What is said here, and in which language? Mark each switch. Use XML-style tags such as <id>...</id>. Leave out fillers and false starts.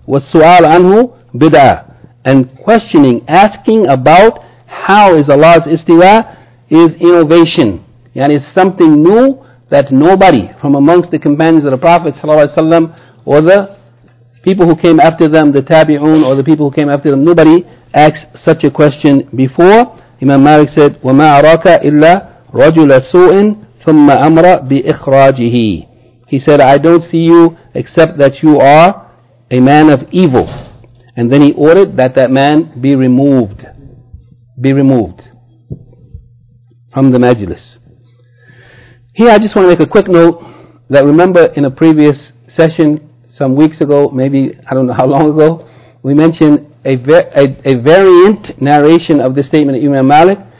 <ar>Was-su'al anhu bid'ah,</ar> <en>and questioning, asking about how is Allah's istiwa, is innovation. Yani it's something new that nobody from amongst the companions of the Prophet ﷺ or the people who came after them, the tabi'un or the people who came after them, nobody asked such a question before. Imam Malik said,</en> <ar>وَمَا عَرَكَ إِلَّا رَجُلَ سُوءٍ ثُمَّ أَمْرَ بِإِخْرَاجِهِ.</ar> <en>He said, I don't see you except that you are a man of evil. And then he ordered that man be removed from the majlis. Here I just want to make a quick note that, remember in a previous session some weeks ago, maybe I don't know how long ago, we mentioned a variant narration of the statement of Imam Malik,</en>